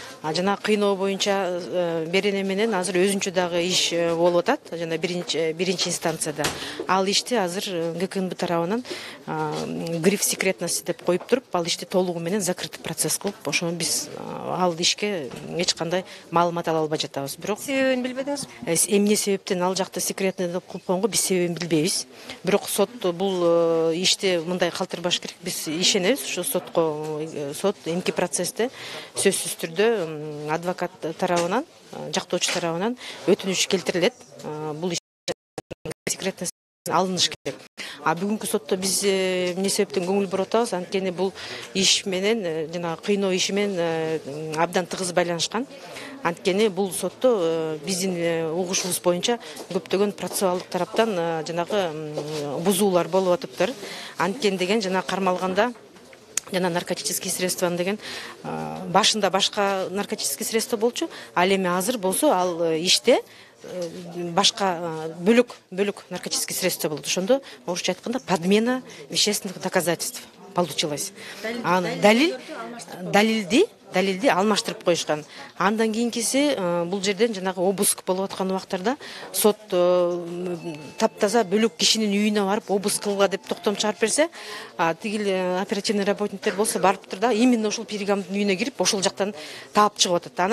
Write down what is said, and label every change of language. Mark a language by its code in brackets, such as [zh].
[ky] жана кыйноо боюнча берене менен азыр өзүнчө дагы иш болуп атат, жана биринчи инстанцияда. Ал ишти азыр ГКНБ тарабынан гриф секретности деп коюп туруп, ал ишти толугу менен закрытый процесс кылып, ошону биз ал ишке эч кандай маалымат ала албай жатабыз. Бирок себебин билбедиңиз? Эмне себептен ал жакта секретный деп коюп койгонго биз себебин билбейбиз. Бирок сот бул ишти мындай калтырбаш керек, биз ишенебиз ушул сотко. Сот эмки процессте сөзсүз түрдө адвокат тарабынан, жактоочу тарабынан өтүнүч келтирилет. Бул иш секретность алыныш керек. А бүгүнкү сотто биз эмне себептен көңүл буруп атабыз? Анткени бул иш менен жана кыйноо иши менен абдан тыгыз байланышкан. Анткени бул сотто биздин угушубуз боюнча көптөгөн процессуалдык тараптан жанагы бузуулар болуп атыптыр. Анткени деген жана кармалганда жана наркотический средствону деген башында башка наркотический средство болчу, ал эми азыр болсо ал иште башка бөлүк наркотический средство болот. Ошондо орусча айтканда [ru] подмена вещественных доказательств получилась. [ky] Аны далилди алмаштырып коюшкан. Андан кийинкиси бул жерден жанагы обыск болуп аткан убактарда сот таптаза бөлүк кишинин үйүнө барып обыск кылгыла деп токтом чыгарып берсе, тигил оперативный работниктер болсо барыптыр да именно ушул пиригамдын үйүнө кирип ошол жактан таап чыгып атат.